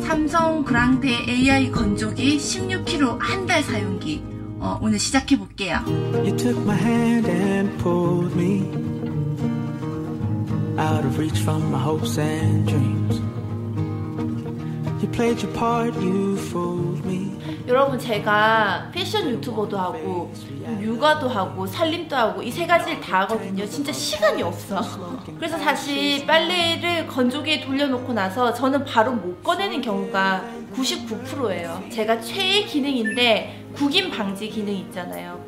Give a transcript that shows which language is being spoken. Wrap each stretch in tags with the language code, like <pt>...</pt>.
<ko>삼성 그랑테 AI 건조기 16kg 한 달 사용기 오늘 시작해 볼게요.</ko> <en>You took my hand and pulled me out of reach from my hopes and dreams. You played your part, you fooled me.</en> <ko>여러분 제가 패션 유튜버도 하고 육아도 하고 살림도 하고 이 세 가지를 다 하거든요. 진짜 시간이 없어. 그래서 다시 빨래를 건조기에 돌려놓고 나서 저는 바로 못 꺼내는 경우가 99%예요. 제가 최애 기능인데 구김 방지 기능 있잖아요.</ko>